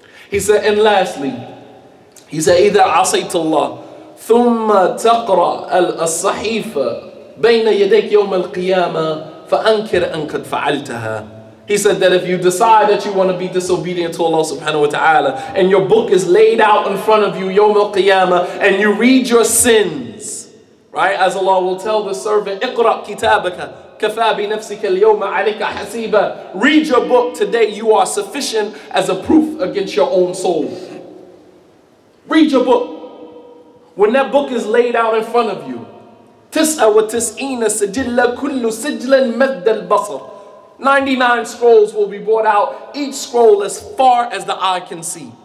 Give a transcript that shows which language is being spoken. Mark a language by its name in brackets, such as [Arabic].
[English] He said, and lastly, he said, [Arabic] إِذَا عَصَيْتَ اللَّهِ ثُمَّ تَقْرَأَ الْأَصَّحِيفَ بَيْنَ يَدَيْكَ يَوْمَ الْقِيَامَةِ فَأَنْكِرْ أَنْ كَدْ فَعَلْتَهَا. [English] He said that if you decide that you want to be disobedient to Allah subhanahu wa ta'ala and your book is laid out in front of you, [Arabic] يَوْمَ الْقِيَامَةِ, [English] and you read your sins, Right? As Allah will tell the servant, [Arabic] اقرأ كتابك كفى بنفسك اليوم عليك حسيبا. [English] Read your book today. You are sufficient as a proof against your own soul. Read your book. When that book is laid out in front of you, 99 [Arabic] سجلة كل سجلة مد البصر. [English] 99 scrolls will be brought out, each scroll as far as the eye can see.